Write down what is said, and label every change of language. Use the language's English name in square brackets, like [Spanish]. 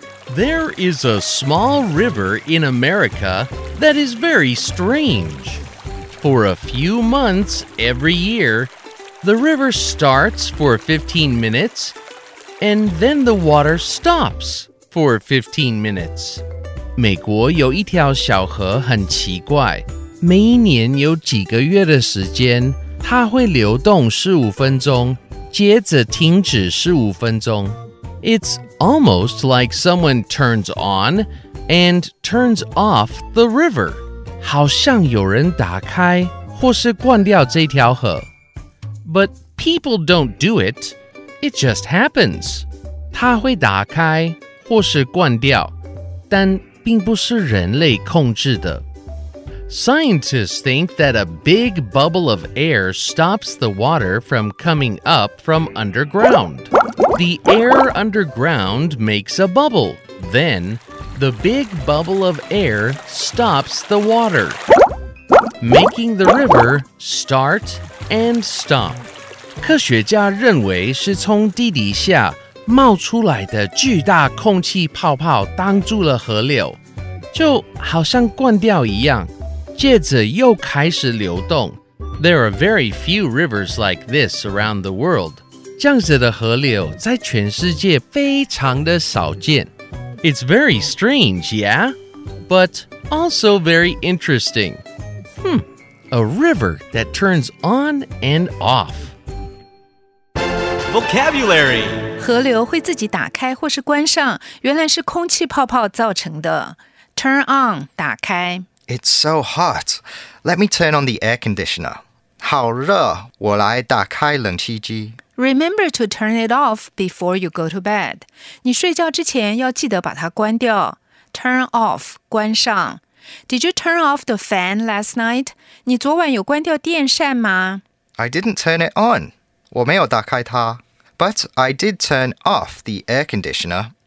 [English] There is a small river in America that is very strange. For a few months every year, the river starts for 15 minutes, and then the water stops for 15 minutes. [Chinese] 美国有一条小河很奇怪，每一年有几个月的时间，它会流动15分钟，接着停止15分钟。 [English] It's almost like someone turns on and turns off the river. [Chinese] 好像有人打开或是关掉这条河。 [English] But people don't do it. It just happens. [Chinese] 它会打开或是关掉,但并不是人类控制的。 [English] Scientists think that a big bubble of air stops the water from coming up from underground. The air underground makes a bubble. Then... The big bubble of air stops the water, making the river start and stop. [Chinese] 科学家认为是从地底下冒出来的巨大空气泡泡挡住了河流，就好像关掉一样，接着又开始流动。 [English] There are very few rivers like this around the world. [Chinese] 这样子的河流在全世界非常的少见。 [English] It's very strange, yeah? But also very interesting. A river that turns on and off. Vocabulary. [Chinese] 河流会自己打开或是关上，原来是空气泡泡造成的。 [English] Turn on, [Chinese] 打开。 [English] It's so hot. Let me turn on the air conditioner. [Chinese] 好热，我来打开冷气机。 [English] Remember to turn it off before you go to bed. [Chinese] 你睡觉之前要记得把它关掉。 [English] Turn off, [Chinese] 关上。 [English] Did you turn off the fan last night? [Chinese] 你昨晚有关掉电扇吗? [English] I didn't turn it on. [Chinese] 我没有打开它。 [English] But I did turn off the air conditioner.